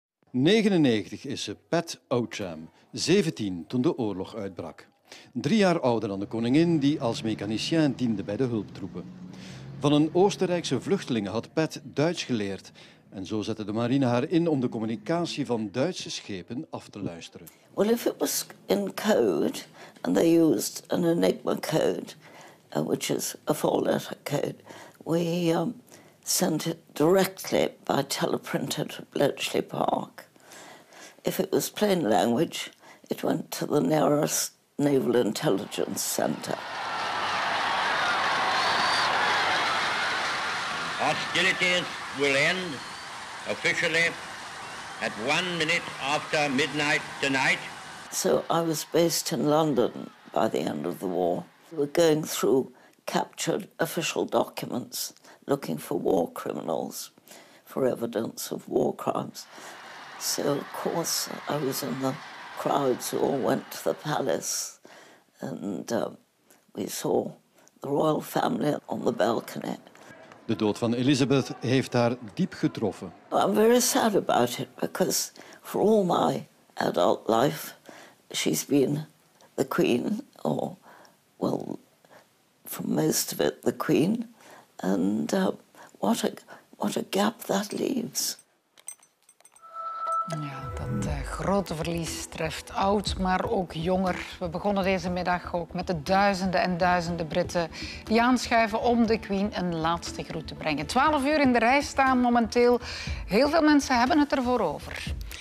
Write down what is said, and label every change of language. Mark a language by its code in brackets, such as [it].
[nl] 99 is ze, Pat Oacham, 17 toen de oorlog uitbrak. 3 jaar ouder dan de koningin die als mechanicien diende bij de hulptroepen. Van een Oostenrijkse vluchteling had Pat Duits geleerd. En zo zette de marine haar in om de communicatie van Duitse schepen af te luisteren. [en] Well, if it was in code and they used an Enigma code, which is a four-letter code, we sent it directly by teleprinter to Bletchley Park. If it was plain language, it went to the nearest naval intelligence center. Hostilities will end officially at 1 minute after midnight tonight. So I was based in London by the end of the war. We were going through captured official documents, looking for war criminals, for evidence of war crimes. So, of course, I was in the crowds who all went to the palace and we saw the royal family on the balcony. [nl] De dood van Elizabeth heeft haar diep getroffen. [en] I'm very sad about it because for all my adult life she's been the queen, or well, for most of it the queen. And what a gap that leaves. [nl] Ja, dat grote verlies treft oud, maar ook jonger. We begonnen deze middag ook met de duizenden en duizenden Britten die aanschuiven om de Queen een laatste groet te brengen. 12:00 in de rij staan momenteel. Heel veel mensen hebben het ervoor over.